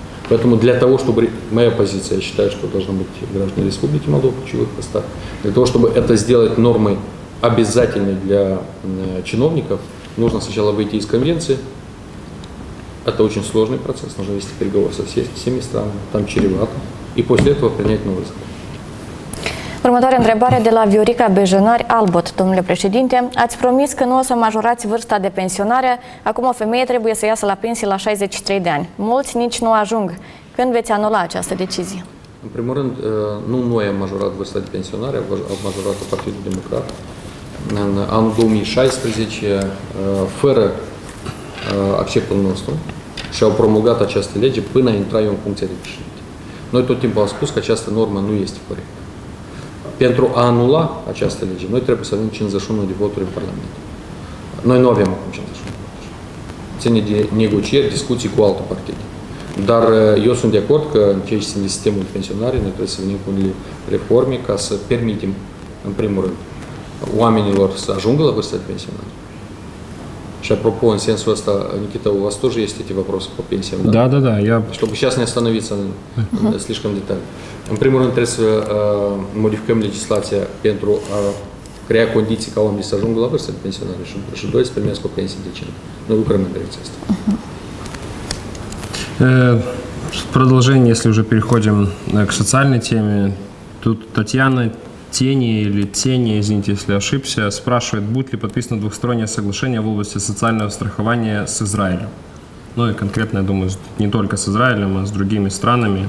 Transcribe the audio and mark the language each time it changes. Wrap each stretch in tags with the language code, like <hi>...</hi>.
<ru>Поэтому для того, чтобы, моя позиция, я считаю, что должны быть граждане Республики Молдова в ключевых постах, для того, чтобы это сделать нормой обязательной для чиновников, нужно сначала выйти из конвенции. Это очень сложный процесс, нужно вести переговоры со всеми странами, там чревато, и после этого принять новый закон.</ru> <ro>Următоарea întrebare de la Viorica Bejenari Albot. Domnule președinte, ați promis că nu o să majorați vârsta de pensionare. Acum o femeie trebuie să iasă la pensie la 63 de ani. Mulți nici nu ajung. Când veți anula această decizie? În primul rând, nu noi am majorat vârsta de pensionare, am majorat Partidul Democrat. În anul 2016, fără acceptul nostru, și-au promulgat această lege până intra eu în funcția de președinte. Noi tot timpul am spus că această normă nu este corectă. Pentru a anula această lege, noi trebuie să avem 51 de voturi în Parlament. Noi nu avem acum 51 de voturi. Ține de negocieri, discuții cu alte partide. Dar eu sunt de acord că în ceea ce ține sistemul de pensionare, noi trebuie să venim cu unele reforme ca să permitem, în primul rând, oamenilor să ajungă la vârsta de pensionare. Și apropo, în sensul ăsta,</ro> <ru>Nikita, у вас тоже есть эти вопросы по пенсиям? Да, да, да. Чтобы сейчас не остановиться слишком детально.</ru> <ro>În primul rând trebuie să modificăm legislația pentru a crea condiții ca oamenii să ajungă la vârstă de pensionare și doi să primească o pensie decentă. Noi lucrăm în direcția asta.</ro> <ru>В продолжение, если уже переходим к социальной теме, тут Татьяна Тени или Тени, извините, если ошибся, спрашивает, будет ли подписано двухстороннее соглашение в области социального страхования с Израилем. Ну и конкретно, я думаю, не только с Израилем, а с другими странами.</ru>